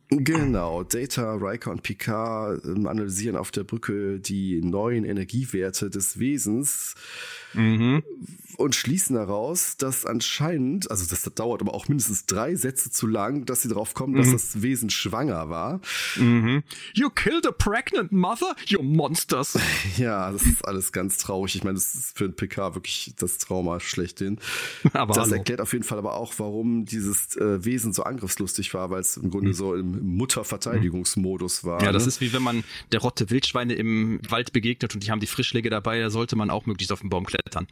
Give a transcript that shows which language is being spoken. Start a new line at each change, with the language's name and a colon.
German: Genau, Data, Riker und Picard analysieren auf der Brücke die neuen Energiewerte des Wesens und schließen daraus, dass anscheinend, also das dauert aber auch mindestens 3 Sätze zu lang, dass sie darauf kommen, dass das Wesen schwanger war.
English: You killed a pregnant mother, you monsters.
German: Ja, das ist alles ganz traurig. Ich meine, das ist für einen Picard wirklich das Trauma schlechthin. Aber das hallo. Erklärt auf jeden Fall aber auch, warum dieses Wesen so angriffslustig war, weil es im Grunde so im Mutterverteidigungsmodus war. Ja, das ist wie wenn man der Rotte Wildschweine im Wald begegnet und die haben die Frischläge dabei, da sollte man auch möglichst auf den Baum klettern.